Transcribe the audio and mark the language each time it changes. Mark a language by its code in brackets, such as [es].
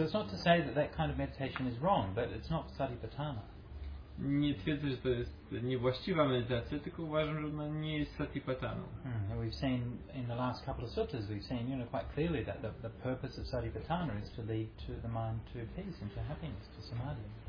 [en] So it's not to say that that kind of meditation is wrong, but it's not satipatthana. [pl] Nie twierdzę, że to jest niewłaściwa medytacja, tylko uważam, że ona nie jest satipatthaną. [en] We've seen in the last couple of sutras, we've seen, you know, quite clearly that the purpose of satipatthana is to lead to the mind to peace and to happiness, to samadhi.